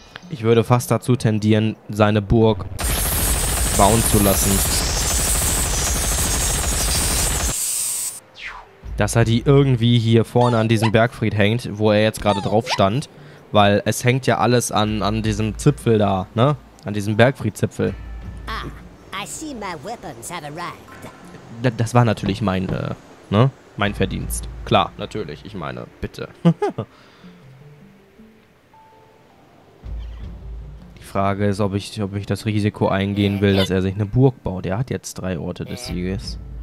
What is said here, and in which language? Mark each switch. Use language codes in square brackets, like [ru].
[de] Ich würde fast dazu tendieren, seine Burg bauen zu lassen. Dass er die irgendwie hier vorne an diesem Bergfried hängt, wo er jetzt gerade drauf stand. Weil es hängt ja alles an diesem Zipfel da, ne? An diesem Bergfried-Zipfel. [en] Ah, I see my weapons have arrived. [de] Das war natürlich mein, ne? Mein Verdienst. Klar, natürlich. Ich meine, bitte. Die Frage ist, ob ich das Risiko eingehen will, dass er sich eine Burg baut. Er hat jetzt 3 Orte des Sieges.